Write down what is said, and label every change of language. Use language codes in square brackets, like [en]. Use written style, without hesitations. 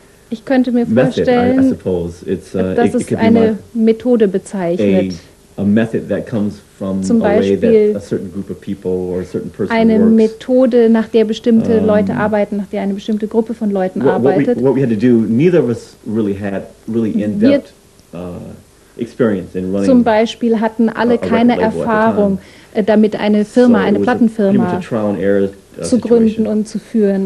[de] ich könnte mir vorstellen, dass es eine Methode bezeichnet. [en] A method that comes from [de] zum Beispiel [en] a way that a certain group of people or a certain person [de] eine [en] works. [de] Methode, nach der bestimmte Leute arbeiten, nach der eine bestimmte Gruppe von Leuten arbeitet. [en] What we had to do, neither of us really had really in-depth experience in running. [de] Zum Beispiel hatten alle keine Erfahrung damit, eine Firma, eine Plattenfirma zu gründen und zu führen.